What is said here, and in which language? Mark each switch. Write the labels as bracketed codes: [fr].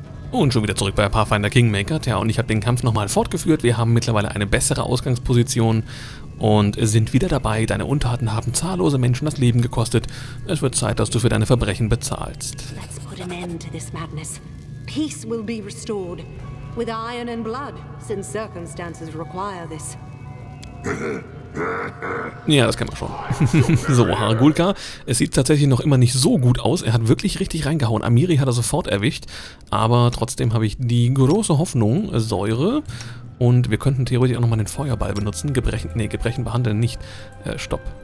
[de] Und schon wieder zurück bei Pathfinder Kingmaker. Tja, und ich habe den Kampf nochmal fortgeführt. Wir haben mittlerweile eine bessere Ausgangsposition und sind wieder dabei. Deine Untaten haben zahllose Menschen das Leben gekostet. Es wird Zeit, dass du für deine Verbrechen bezahlst. [en] Let's put an end to this madness. Peace will be restored. With iron and blood, since circumstances require this. [de] Ja, das kennen wir schon. So, Hargulka, es sieht tatsächlich noch immer nicht so gut aus. Er hat wirklich richtig reingehauen. Amiri hat er sofort erwischt. Aber trotzdem habe ich die große Hoffnung, Säure. Und wir könnten theoretisch auch nochmal den Feuerball benutzen. Gebrechen behandeln nicht. Stopp.